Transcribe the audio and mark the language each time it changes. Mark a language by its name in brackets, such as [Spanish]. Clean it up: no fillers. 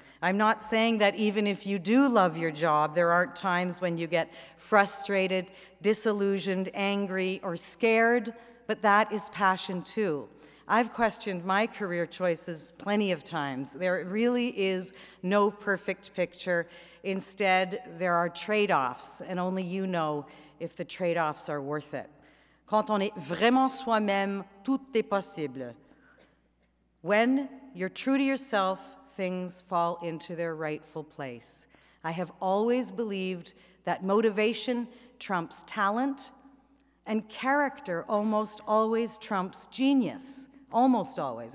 [English] I'm not saying that even if you do love your job, there aren't times when you get frustrated, disillusioned, angry, or scared, but that is passion too. I've questioned my career choices plenty of times. There really is no perfect picture. Instead, there are trade-offs, and only you know if the trade-offs are worth it. [French] Quand on est vraiment soi-même, tout est possible. [English] When you're true to yourself, things fall into their rightful place. I have always believed that motivation trumps talent, and character almost always trumps genius. Almost always.